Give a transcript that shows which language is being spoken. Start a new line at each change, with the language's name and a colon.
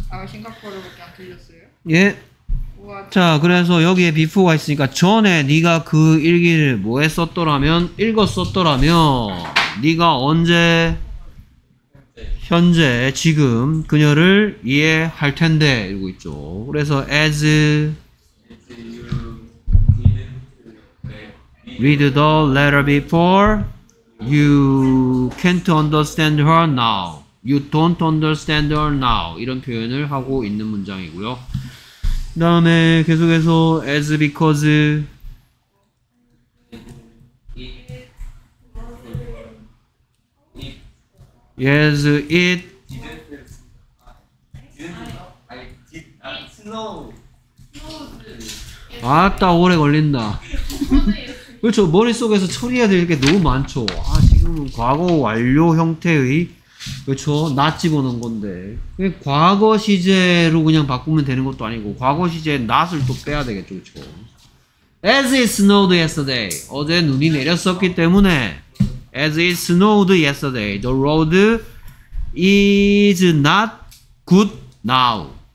Korean: 아, 싱가포르밖에 안 틀렸어요? 예. 자, 그래서 여기에 before가 있으니까 전에 네가 그 일기를 뭐 했었더라면, 읽었었더라면 네가 언제? 현재, 지금 그녀를 이해할 텐데 이러고 있죠. 그래서
English: as you read the letter before you can't understand her now. You don't understand her now.
Korean: 이런 표현을 하고 있는 문장이고요. 그 다음에 계속해서
English: as because yes it snow.
Korean: 아따 오래 걸린다. 그렇죠. 머릿속에서 처리해야 될 게 너무 많죠. 아, 지금은 과거 완료 형태의, 그렇죠, 나 집어넣은 건데, 과거 시제로 그냥 바꾸면 되는 것도 아니고 과거 시제 not을 또 빼야 되겠죠. 그렇죠.
English: As it snowed yesterday,
Korean: 어제 눈이 내렸었기 때문에
English: As it snowed yesterday, the road is not good now.